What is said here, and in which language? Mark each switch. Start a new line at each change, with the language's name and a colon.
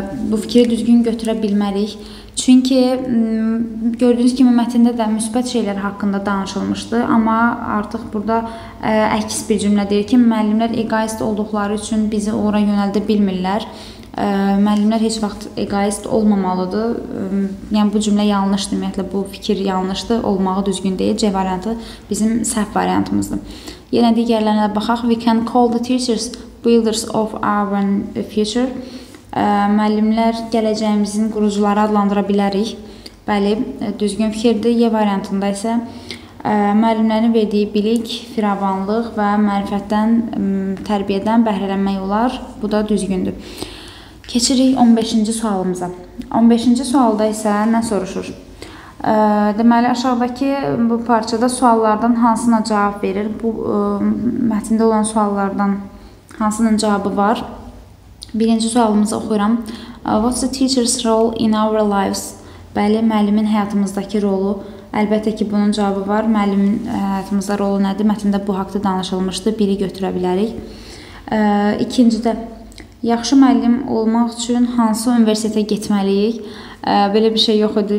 Azerbaijani: Bu fikri düzgün götürə bilmərik. Çünki gördüyünüz kimi mətndə də müsbət şeylər haqqında danışılmışdı, amma artıq burada əks bir cümlə deyir ki, müəllimlər egoist olduqları üçün bizi ora yönəldə bilmirlər. Müəllimlər heç vaxt egoist olmamalıdır. Yəni bu cümlə yanlışdır, ümumiyyətlə bu fikir yanlışdır, olmağı düzgün deyil. C variantı bizim səhv variantımızdır. Yenə digərlərinə baxaq.
English: We can call the teachers builders of our future.
Azerbaijani: Müəllimlər gələcəyimizin qurucuları adlandıra bilərik. Bəli, düzgün fikirdir. Y variantında isə müəllimlərin verdiyi bilik, firavanlıq və mərifətdən, tərbiyədən bəhrələnmək olar. Bu da düzgündür. Keçirik 15-ci sualımıza. 15-ci sualda isə nə soruşur? Deməli, aşağıdakı bu parçada suallardan hansına cavab verir? Bu mətndə olan suallardan hansının cavabı var? Birinci sualımızı oxuyuram.
English: What's the teacher's role in our lives?
Azerbaijani: Bəli, müəllimin həyatımızdakı rolu. Əlbəttə ki, bunun cavabı var. Müəllimin həyatımızda rolu nədir? Mətndə bu haqda danışılmışdı. Biri götürə bilərik. İkincidə, yaxşı müəllim olmaq üçün hansı universitetə getməliyik? Belə bir şey yox idi.